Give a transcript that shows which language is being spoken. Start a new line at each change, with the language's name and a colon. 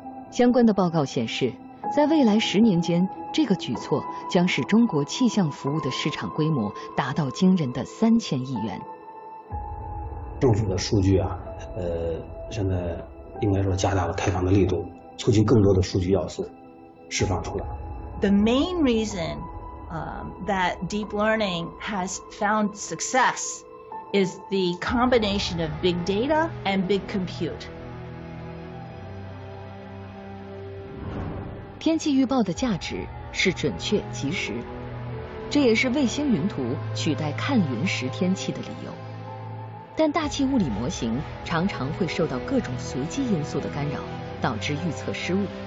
Chinese: 相关的报告显示，在未来10年间，这个举措将使中国气象服务的市场规模达到惊人的3000亿元。政府的数据啊，现在应该说加大了开放的力度，促进更多的数据要素释放出来。
English: The main reason, that deep learning has found success is the combination of big data and big compute.
Chinese: 天气预报的价值是准确及时，这也是卫星云图取代看云识天气的理由。但大气物理模型常常会受到各种随机因素的干扰，导致预测失误。